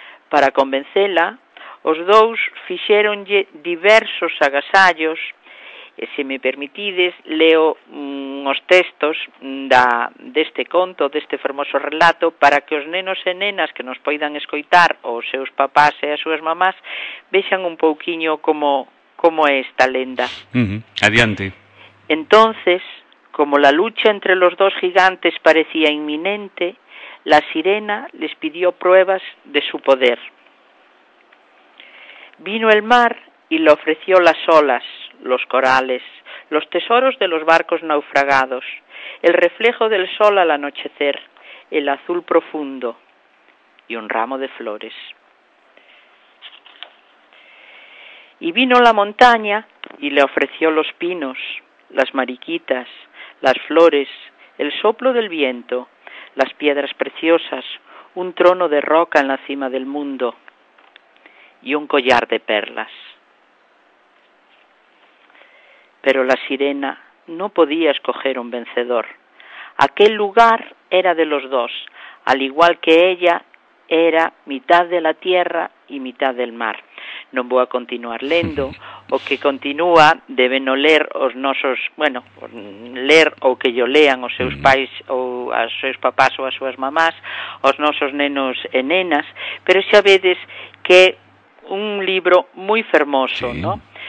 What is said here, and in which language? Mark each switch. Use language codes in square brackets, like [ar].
[gl] Para convencela, os dous fixéronlle diversos agasallos, e se me permitides, leo os textos deste conto, deste fermoso relato, para que os nenos e nenas que nos poidan escoitar, os seus papás e as súas mamás, vexan un pouquiño como é esta lenda. Adiante. [es] Entonces, como la lucha entre los dos gigantes parecía inminente, la sirena les pidió pruebas de su poder. Vino el mar y le ofreció las olas, los corales, los tesoros de los barcos naufragados, el reflejo del sol al anochecer, el azul profundo y un ramo de flores. Y vino la montaña y le ofreció los pinos, las mariquitas, las flores, el soplo del viento, las piedras preciosas, un trono de roca en la cima del mundo y un collar de perlas. Pero la sirena no podía escoger un vencedor. Aquel lugar era de los dos, al igual que ella era mitad de la tierra y mitad del mar. [gl] Non vou a continuar lendo, o que continúa deben o ler os nosos, bueno, ler ou que yo lean os seus pais ou as seus papás ou as súas mamás, os nosos nenos e nenas, pero xa vedes que un libro moi fermoso, sí, ¿no?